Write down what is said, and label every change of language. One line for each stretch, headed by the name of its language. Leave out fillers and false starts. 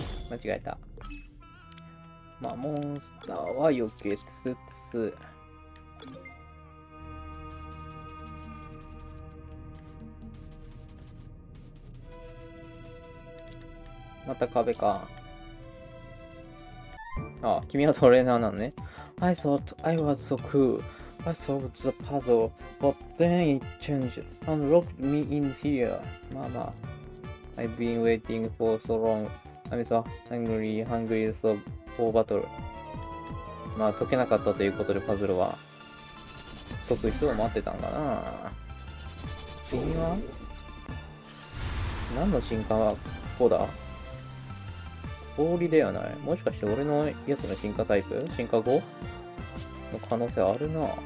Japanese: 間違えた。まあ、モンスターは避けつつ。また壁か。あ、君はトレーナーなのね。
English: I thought I was so cool. I solved the puzzle, but then it changed and locked me in here.
Japanese: まあまあ。
English: I've been waiting for so long. I'm so hungry, hungry, so. フォーバトル。
Japanese: まあ解けなかったということでパズルは解く人を待ってたんかな。君は何の進化はこうだ。氷ではない。もしかして俺のやつの進化タイプ、進化後の可能性あるな。